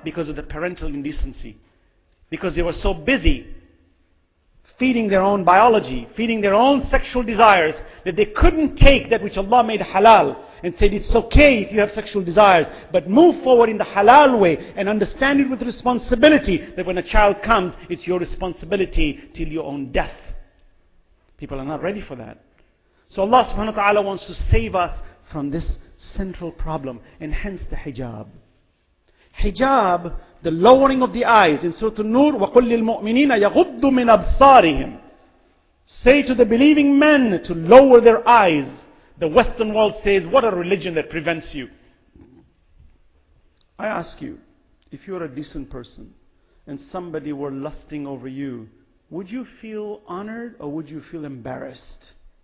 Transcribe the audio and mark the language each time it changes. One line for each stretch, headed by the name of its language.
English: Because of the parental indecency. Because they were so busy feeding their own biology, feeding their own sexual desires, that they couldn't take that which Allah made halal and said, it's okay if you have sexual desires, but move forward in the halal way and understand it with responsibility, that when a child comes, it's your responsibility till your own death. People are not ready for that. So Allah subhanahu wa ta'ala wants to save us from this central problem, and hence the hijab. Hijab, the lowering of the eyes. In Surah An-Nur,
Arabic: وَقُلْ لِلْمُؤْمِنِينَ يَغُضُّ مِنْ أَبْصَارِهِمْ.
English: Say to the believing men to lower their eyes. The Western world says, what a religion that prevents you. I ask you, if you are a decent person and somebody were lusting over you, would you feel honored or would you feel embarrassed?